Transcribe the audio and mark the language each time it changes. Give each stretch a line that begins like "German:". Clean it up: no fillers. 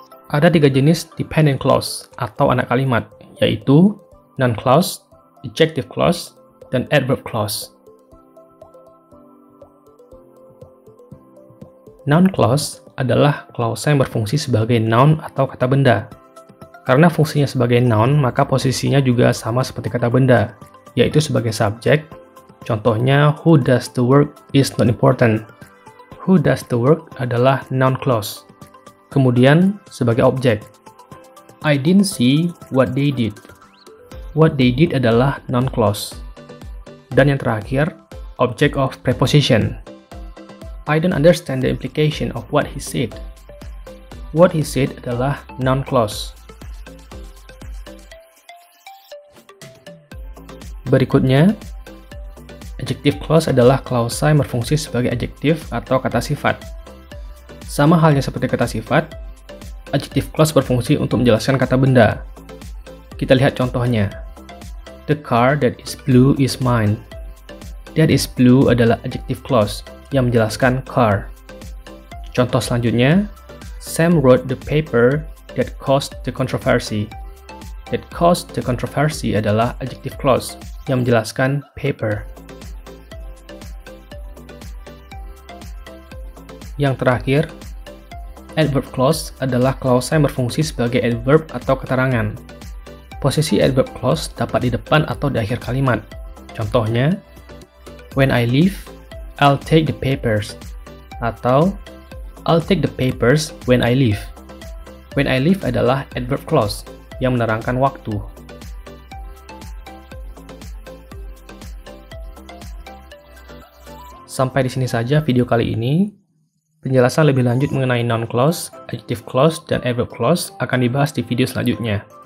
Indonesian: Ada tiga jenis dependent clause atau anak kalimat, yaitu noun clause, adjective clause, dan adverb clause. Noun clause adalah clause yang berfungsi sebagai noun atau kata benda. Karena fungsinya sebagai noun, maka posisinya juga sama seperti kata benda, yaitu sebagai subjek. Contohnya,
English: who does the work is not important. Who does the work
Indonesian: adalah
English: noun clause.
Indonesian: Kemudian, sebagai objek.
English: I didn't see what they did. What they did
Indonesian: adalah
English: noun clause.
Indonesian: Dan yang terakhir, object of preposition.
English: I don't understand the implication of what he said. What he said
Indonesian: adalah
English: noun clause.
Indonesian: Berikutnya, adjective clause adalah klausa yang berfungsi sebagai adjektif atau kata sifat. Sama halnya seperti kata sifat, adjective clause berfungsi untuk menjelaskan kata benda. Kita lihat contohnya.
English: The car that is blue is mine. That is blue
Indonesian: adalah
English: adjective clause
Indonesian: yang menjelaskan
English: car.
Indonesian: Contoh selanjutnya,
English: Sam wrote the paper that caused the controversy. That caused the controversy
Indonesian: adalah
English: adjective clause
Indonesian: yang menjelaskan
English: paper.
Indonesian: Yang terakhir, adverb clause adalah klausa yang berfungsi sebagai adverb atau keterangan. Posisi adverb clause dapat di depan atau di akhir kalimat.
English: Contohnya, when I leave, I'll take the papers.
Indonesian: Atau,
English: I'll take the papers when I leave. When I leave
Indonesian: adalah
English: adverb clause
Indonesian: yang menerangkan waktu. Sampai di sini saja video kali ini. Penjelasan lebih lanjut mengenai noun clause, adjective clause, dan adverb clause akan dibahas di video selanjutnya.